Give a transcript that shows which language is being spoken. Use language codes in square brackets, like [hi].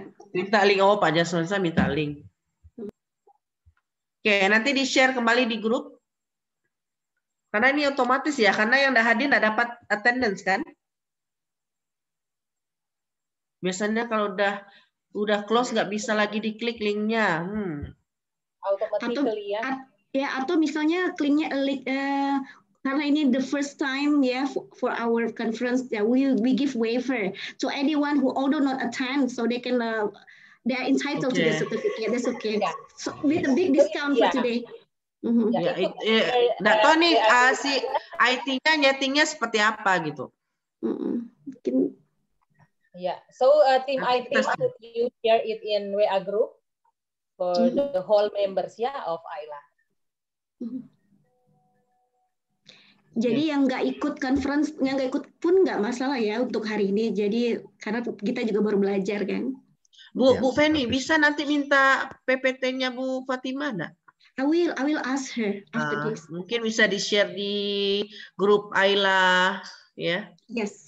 [id] Minta link. Oh, Pak Jasmansah minta link. Oke, nanti di-share kembali di grup. Karena ini otomatis ya, karena yang enggak hadir enggak dapat attendance kan? Biasanya kalau udah close nggak bisa lagi diklik linknya. [en] Automatically ya. [id] Ya atau misalnya linknya karena ini [en] the first time ya yeah, for our conference that we give waiver to anyone who although not attend so they can they are entitled okay. to the certificate. That's okay. Yeah. So, with a big discount yeah. for today. [id] Mm-hmm. Ya, nggak tahu nih ya, si IT-nya nyetingnya seperti apa gitu. [en] Ya, so team IT, could you share it in WA group for the whole members ya of AILA. [id] Jadi yang nggak ikut conference, yang nggak ikut pun nggak masalah ya untuk hari ini. Jadi karena kita juga baru belajar kan. Bu yes. Bu Feni bisa nanti minta PPT-nya Bu Fatimah nggak? [en] I will ask her after this. [id] Mungkin bisa di share di grup Ayla, ya? Yeah.